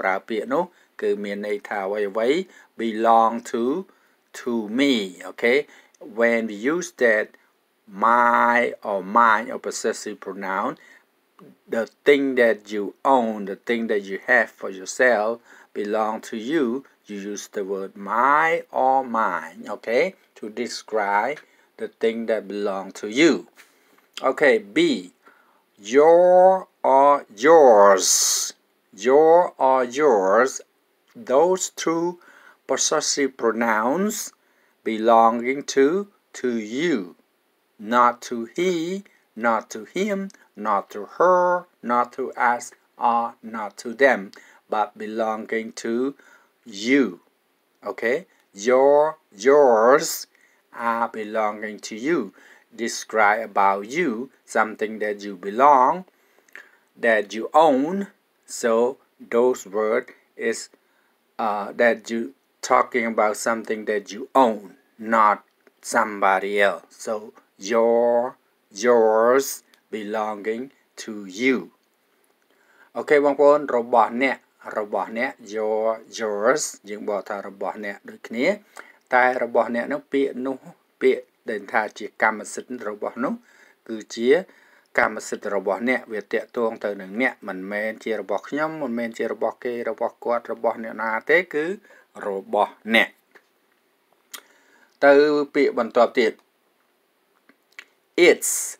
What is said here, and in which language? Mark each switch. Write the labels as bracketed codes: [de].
[km] វាជារបស់ខ្ញុំមិនមែនរបស់នរណាទេមិនមែនរបស់គាត់មិនមែនរបស់នាងមិនមែនរបស់វាគឺវាជារបស់ខ្ញុំជាកម្មសិទ្ធិរបស់ខ្ញុំការណាយើងប្រើពាក្យនោះគឺមានន័យថាអ្វីៗ [en] belong to me. Okay, when we use that my or mine or possessive pronoun, the thing that you own, the thing that you have for yourself belong to you, you use the word my or mine, okay, to describe the thing that belong to you. Okay, B, your or yours. Your or yours, those two possessive pronouns belonging to you, not to he, not to him, not to her, not to us, or not to them, but belonging to you. Okay? Yours are belonging to you. Describe about you, something that you belong, that you own. So those words is that you talking about something that you own, not somebody else. So yours belonging to you. [km] Okay, បងប្អូនរបស់អ្នក yours យើងបកថារបស់អ្នកដូចគ្នាតែរបស់អ្នកនោះពាក្យនោះពាក្យដែលថាជាកម្មសិទ្ធិរបស់នោះគឺជាកម្មសិទ្ធិរបស់អ្នកវាតាក់ទងទៅនឹងអ្នកមិនមែនជារបស់ខ្ញុំមិនមែនជារបស់គេរបស់គាត់របស់អ្នកណាទេគឺរបស់អ្នកទៅពាក្យបន្ទាប់ទៀត it's